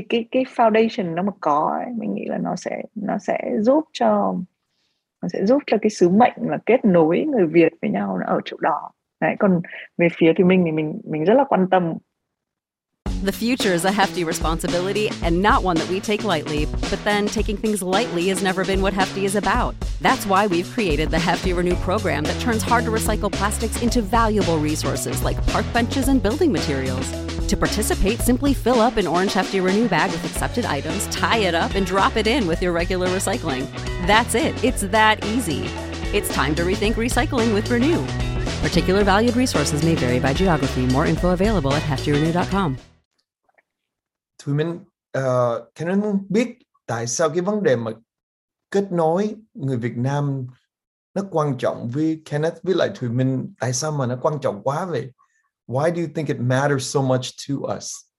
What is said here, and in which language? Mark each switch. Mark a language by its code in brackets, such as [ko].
[vi] Cái foundation nó mà có ấy, mình nghĩ là nó sẽ giúp cho cái sứ mệnh là kết nối người Việt với nhau nó ở chỗ đó. Đấy, còn về phía thì mình rất là quan tâm. [en] The future is a hefty responsibility and not one that we take lightly, but then taking things lightly has never been what Hefty is about. That's why we've created the Hefty Renew program that turns hard to recycle plastics into valuable resources like park benches and building materials. To participate, simply fill up an orange Hefty Renew bag with accepted items, tie it up, and drop it in with your regular recycling. That's it. It's that easy. It's time to rethink recycling with Renew. Particular valued resources may vary by geography. More info available at heftyrenew.com. [vi] Thì mình khả năng biết tại sao cái vấn đề mà kết nối người Việt Nam nó quan trọng với Kenneth, với lại Thùy Minh, tại sao mà nó quan trọng quá vậy? [en] Why do you think it matters so much to us?